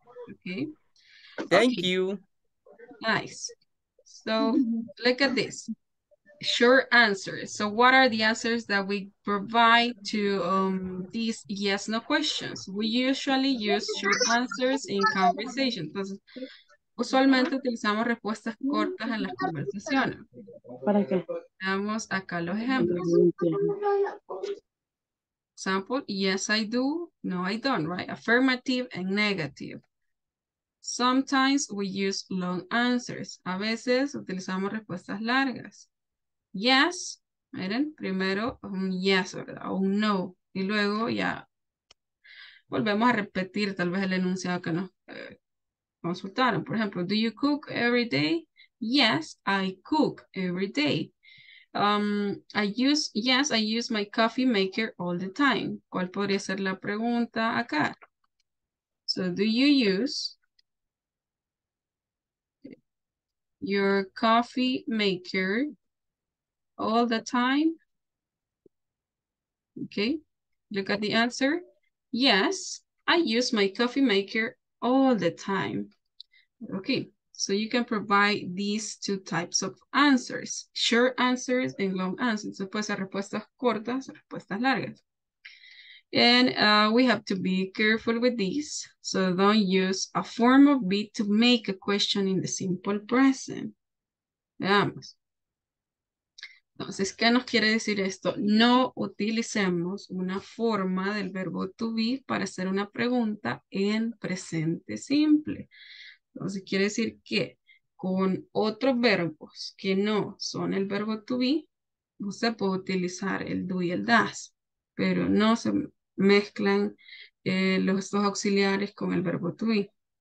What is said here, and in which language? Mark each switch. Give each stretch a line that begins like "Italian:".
English: Okay. Thank you. Nice. So look at this. Sure answers. So what are the answers that we provide to these yes, no questions? We usually use sure answers in conversation.
Spanish: Entonces, usualmente utilizamos respuestas cortas en las conversaciones. ¿Para qué? Veamos acá los ejemplos.
English: Example, yes, I do. No, I don't, right? Affirmative and negative. Sometimes we use long answers.
Spanish: A veces utilizamos respuestas largas. Yes, miren, primero un yes, ¿verdad? O un no. Y luego ya volvemos a repetir tal vez el enunciado que nos consultaron. Por ejemplo,
English: do you cook every day? Yes, I cook every day. I use my coffee maker all the time.
Spanish: ¿Cuál podría ser la pregunta acá?
English: So, do you use your coffee maker all the time? Okay, look at the answer. Yes, I use my coffee maker all the time. Okay, so you can provide these two types of answers, short answers and long answers. So,
Spanish: pues, respuestas cortas, respuestas largas.
English: And we have to be careful with these. So don't use a form of be to make a question in the simple present.
Spanish: Veamos. Entonces, ¿qué nos quiere decir esto? No utilicemos una forma del verbo to be para hacer una pregunta en presente simple. Entonces, quiere decir que con otros verbos que no son el verbo to be, usted puede utilizar el do y el does, pero no se mezclan los dos auxiliares con el verbo to be.